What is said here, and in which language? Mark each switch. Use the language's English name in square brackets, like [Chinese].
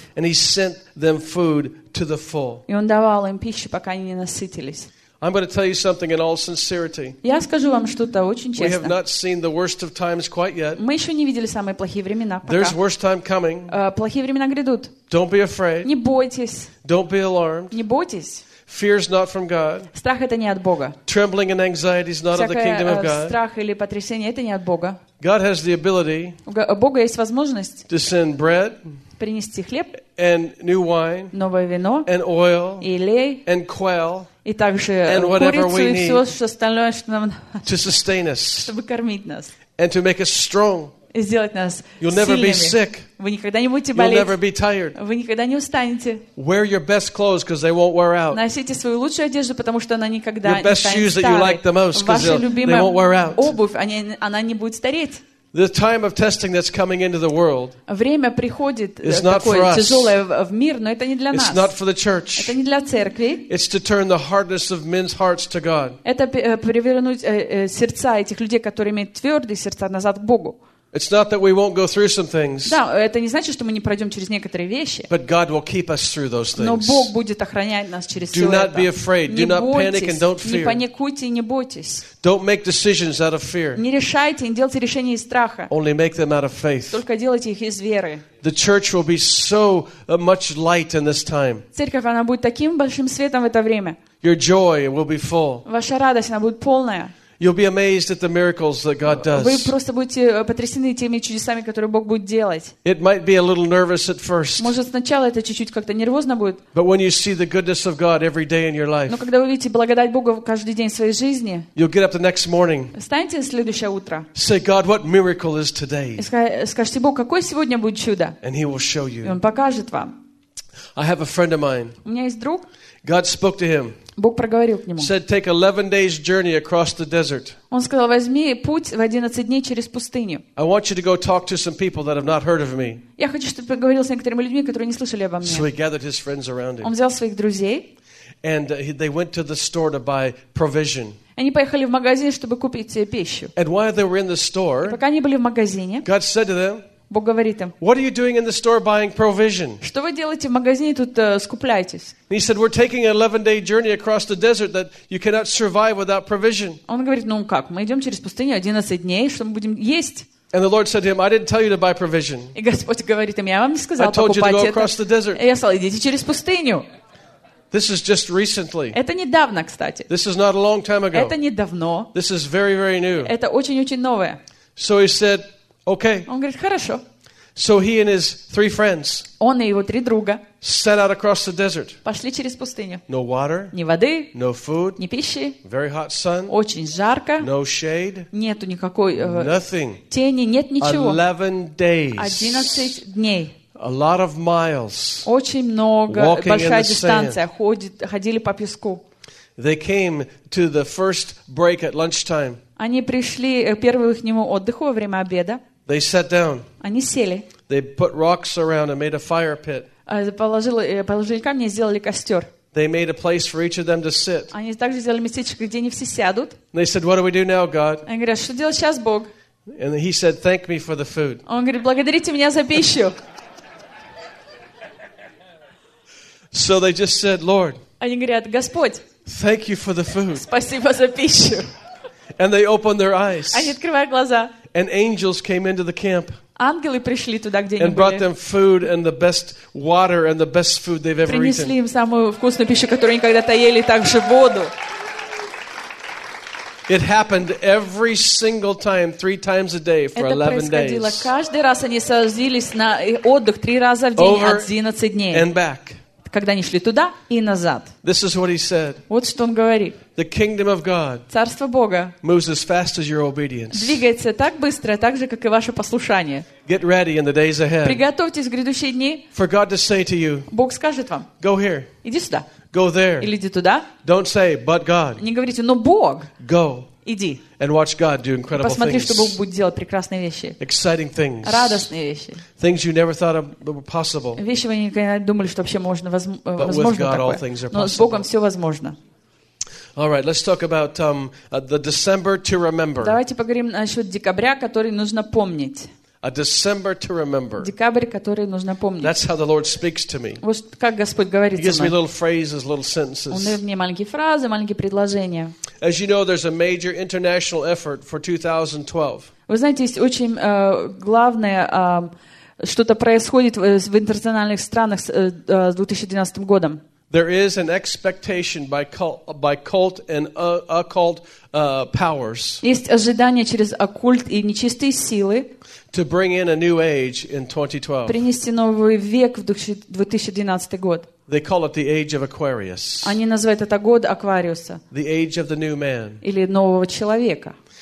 [English] And he sent them food to the full. [Russian] И он давал им пищу, пока они не насытились. [English] I'm going to tell you something in all sincerity. [Russian] Я скажу вам что-то очень честно. [English] We have not seen the worst of times quite yet. [Russian] Мы еще не видели самые плохие времена пока. [English] There's worse time coming. [Russian] Плохие времена грядут. [English] Don't be afraid. [Russian] Не бойтесь. [English] Don't be alarmed. [Russian] Не бойтесь. [English] Fear is not from God. [Russian] Страх это не от Бога. [English] Trembling and anxiety is not of the kingdom of God. [Russian] Страх или потрясение это не от Бога. [English] God has the ability. [Russian] У Бога есть возможность. [English] To send bread. [Russian] Принести хлеб. [English] And new wine. [Russian] Новое вино. [English] And oil. [Russian] И лей. [English] And quail. [Russian] И также курицу и все что остальное, что нам [English] to sustain us. [Russian] Чтобы кормить нас. [English] And to make us strong. [Russian] И сделать нас [English] You'll [Russian] сильными. [English] Never be sick. [Russian] Вы никогда не будете болеть. [English] You'll never be tired. [Russian] Вы никогда не устанете. [English] Wear your best clothes because they won't wear out. [Russian] Носите свою лучшую одежду, потому что она никогда [English] your best [Russian] не станет [English] shoes [Russian] старой. [English] That you like the most, [Russian] ваша любимая [English] won't wear out. [Russian] Обувь, она не будет стареть. [English] The time of testing that's coming into the world. [Russian] Время приходит такое тяжелое в мир, но это не для нас. [English] It's not for the church. [Russian] Это не для церкви. [English] It's to turn the hardness of men's hearts to God. [Russian] Это перевернуть сердца этих людей, которые имеют твердые сердца, назад к Богу. [English] It's not that we won't go through some things. [Russian] Да, это не значит, что мы не пройдем через некоторые вещи. [English] But God will keep us through those things. [Russian] Но Бог будет охранять нас через все это. [English] Do not be afraid. Do not panic and don't fear. [Russian] Не паникуйте и не бойтесь. [English] Don't make decisions out of fear. [Russian] Не решайте, не делайте решения из страха. [English] Only make them out of faith. [Russian] Только делайте их из веры. [English] The church will be so much light in this time. [Russian] Церковь она будет таким большим светом в это время. [English] Your joy will be full. [Russian] Ваша радость она будет полная. [English] You'll be amazed at the miracles that God does. [Russian] Вы просто будете потрясены теми чудесами, которые Бог будет делать. [English] It might be a little nervous at first. [Russian] Может, сначала это чуть-чуть как-то нервозно будет. [English] But when you see the goodness of God every day in your life. [Russian] Но когда вы видите благодать Бога каждый день в своей жизни. [English] You'll get up the next morning. [Russian] Встаньте на следующее утро. [English] Say, God, what miracle is today? [Russian] Скажите, Бог, какое сегодня будет чудо? [English] And He will show you. [Russian] И Он покажет вам. [English] I have a friend of mine. [Russian] У меня есть друг. [English] God spoke to him. [Russian] Бог проговорил к нему. [English] Said take 11 days journey across the desert. [Russian] Он сказал: "Возьми путь в 11 дней через пустыню". [English] I want you to go talk to some people that have not heard of me. [Russian] Я хочу, чтобы ты поговорил с некоторыми людьми, которые не слышали обо мне. [English] So he gathered his friends around him. [Russian] Он взял своих друзей. [English] And they went to the store to buy provision. [Russian] Они поехали в магазин, чтобы купить пищу. [English] And while they were in the store, [Russian] и пока они были в магазине, [English] God said to them, [Russian] Бог говорит им, [English] What are you doing in the store buying provision? [Russian] Что вы делаете в магазине тут скупляетесь? [English] And he said, We're taking an 11-day journey across the desert that you cannot survive without provision. [Russian] Он говорит, ну как, мы идем через пустыню 11 дней, что мы будем есть? [English] And the Lord said to him, I didn't tell you to buy provision. [Russian] И Господь говорит им, я вам не сказал [English] покупать [Russian] это. [English] I told you to go across the desert. [Russian] Я сказал, идите через пустыню. [English] This is just recently. [Russian] Это недавно, кстати. [English] This is not a long time ago. [Russian] Это недавно. [English] This is very, very new. [Russian] Это очень-очень новое. [English] So he said, okay. [Russian] Он говорит, хорошо. [English] So he and his three friends. [Russian] Он и его три друга. [English] Set out across the desert. [Russian] Пошли через пустыню. [English] No water. [Russian] Ни воды. [English] No food. [Russian] Ни пищи. [English] Very hot sun. [Russian] Очень жарко. [English] No shade. [Russian] Нету никакой [English] nothing. [Russian] Тени, нет ничего. [English] 11 days. [Russian] 11 дней. [English] A lot of miles. [Russian] Очень много, большая дистанция. Ходили по песку. [English] They came to the first break at lunchtime. [Russian] Они пришли первый к нему отдыху во время обеда. [English] They sat down. [Russian] Они сели. [English] They put rocks around and made a fire pit. [Russian] Положили камни и сделали костер. [English] They made a place for each of them to sit. [Russian] Они также сделали местечко, где они все сядут. [English] They said, "What do we do now, God?" [Russian] Они говорят, что делать сейчас, Бог? [English] And he said, "Thank me for the food." [Russian] Он говорит, благодарите меня за пищу. [English] So they just said, Lord. [Russian] Они говорят, Господь. [English] Thank you for the food. [Russian] Спасибо за пищу. [English] And they opened their eyes. [Russian] Они открывают глаза. [English] And angels came into the camp. [Russian] Ангелы пришли туда, где они были. [English] And brought them food and the best water and the best food they've ever eaten. [Russian] Принесли им самую вкусную пищу, которую они когда-то ели, также воду. [English] It happened every single time, three times a day for 11 days. [Russian] Это происходило каждый раз, они садились на отдых три раза в день, 11 дней. [English] And back. [Russian] Когда они шли туда и назад. [English] This is what he said. [Russian] Вот что он говорит. [English] The kingdom of God. [Russian] Царство Бога. [English] Moves as fast as your obedience. [Russian] Двигается так быстро, так же, как и ваше послушание. [English] Get ready in the days ahead. [Russian] Приготовьтесь в грядущие дни. [English] For God to say to you. [Russian] Бог скажет вам. [English] Go here. [Russian] Иди сюда. [English] Go there. [Russian] Или иди туда. [English] Don't say, but God. [Russian] Не говорите, но Бог. [English] Go. [Russian] Иди. [English] And watch God do incredible things. [Russian] Посмотри, что Бог будет делать, прекрасные вещи. [English] Exciting things. [Russian] Радостные вещи. [English] Things you never thought were possible. [Russian] Вещи, вы никогда не думали, что вообще можно, возможно такое. [English] But with God, all things are possible. [Russian] Но с Богом все возможно. [English] All right, let's talk about the December to remember. [Russian] Давайте поговорим насчет декабря, который нужно помнить. [English] A December to remember. [Russian] Декабрь, который нужно помнить. [English] That's how the Lord speaks to me. [Russian] Вот как Господь говорит со мной. [English] He gives me little phrases, little sentences. [Russian] Он дает мне маленькие фразы, маленькие предложения. [English] As you know, there's a major international effort for 2012. [Russian] Вы знаете, есть очень главное, что-то происходит в интернациональных странах с 2012 годом. [English] There is an expectation by cult and occult powers. [Russian] Есть ожидание через оккульт и нечистые силы. [English] To bring in a new age in 2012. [Russian] Принести новый век в 2012 год. [English] They call it the age of Aquarius. [Russian] Они называют это год Аквариуса. [English] The age of the new man. [Russian] Или нового человека.